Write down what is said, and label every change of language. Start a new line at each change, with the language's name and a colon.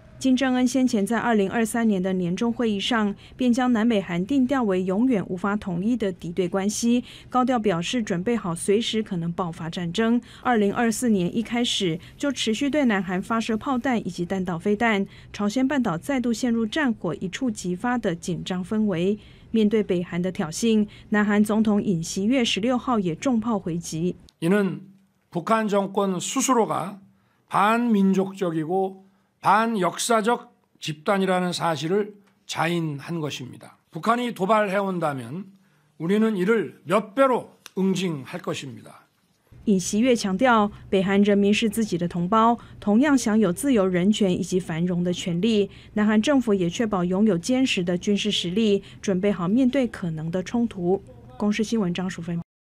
Chinese: 金正恩先前在2023年的年终会议上便将南北韩定调为永远无法统一的敌对关系，高调表示准备好随时可能爆发战争。 2024年一开始就持续对南韩发射炮弹以及弹道飞弹，朝鲜半岛再度陷入战火一触即发的紧张氛围。面对北韩的挑衅，南韩总统尹锡悦16号也重炮回击。
Korean: 이는북한정권스스로가반민족적이고 반역사적 집단이라는 사실을 자인한 것입니다. 북한이 도발해 온다면 우리는 이를 몇 배로 응징할 것입니다.
Chinese: 尹锡悦强调，北韩人民是自己的同胞，同样享有自由人权以及繁荣的权利。南韩政府也确保拥有坚实的军事实力，准备好面对可能的冲突。公视新闻张淑芬。